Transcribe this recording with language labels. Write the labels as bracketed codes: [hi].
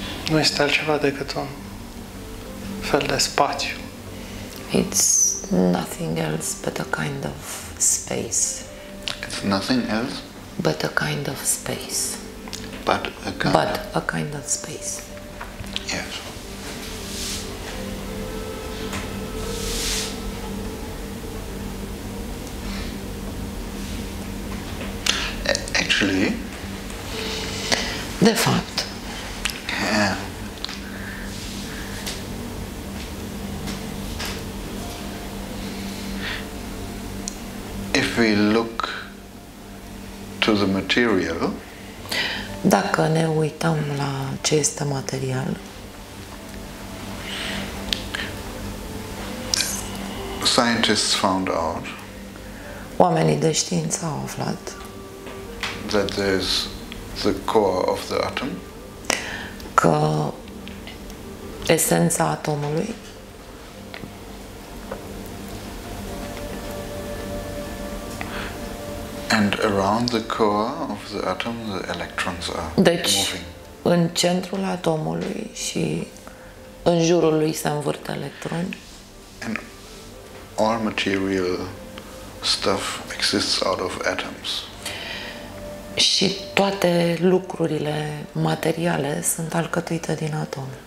[ro] Nu este altceva decât un fel de spațiu. [en] It's nothing else but a kind of space. It's nothing else but a kind of space. But a kind, but a kind of space. Yes. Actually, the fact. If we look to the material, [ro] dacă ne uităm la ce este material, [en] scientists found out. [ro] Oamenii de știință au aflat. [en] That there is the core of the atom. [ro] Că esența atomului. [en] And around the core of the atom, the electrons are [ro] deci, [en] moving. [ro] În centrul atomului și în jurul lui se învârte electroni. [en] And all material stuff exists out of atoms. [ro] Și toate lucrurile materiale sunt alcătuite din atom.